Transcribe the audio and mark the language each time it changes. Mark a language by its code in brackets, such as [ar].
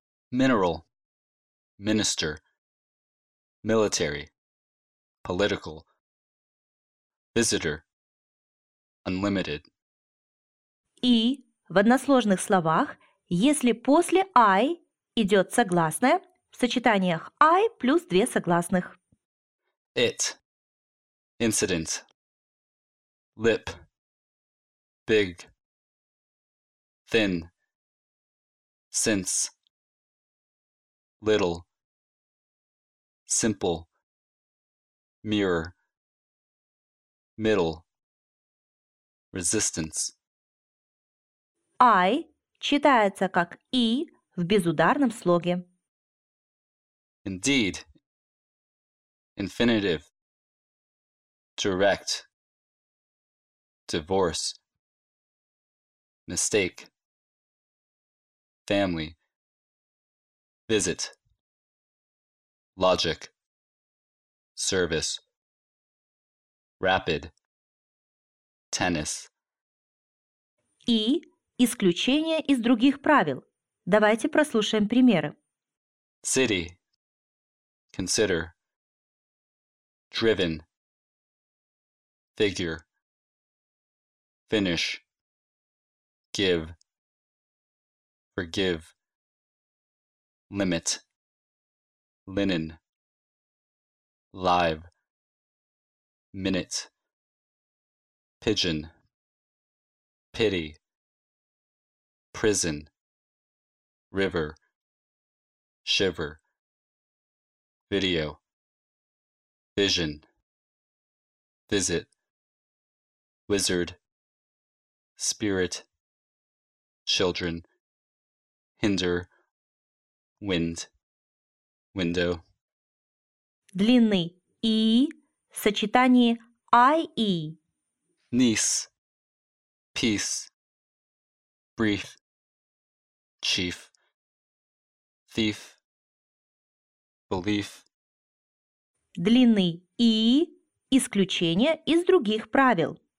[en] Mineral, minister, military, political, visitor, unlimited. [ru] И в односложных словах, если после I идет согласное, в сочетаниях I плюс две согласных. [en] It, incident, lip, big, thin, since, little, simple, mirror, middle, resistance. [ru] I читается как I в безударном слоге. [en] Indeed, infinitive, direct, divorce, mistake, family, visit, logic, service, rapid, tennis. [ru] I исключение из других правил. Давайте прослушаем примеры. [en] City, consider, driven, figure, finish, give, forgive, limit, linen, live, minute, pigeon, pity, prison, river, shiver, video, vision, visit, wizard, spirit, children, hinder, wind, window. [ru] Длинный и в сочетании ie. [en] Niece, peace, brief, chief, thief, belief. [ru] Длинный и исключение из других правил.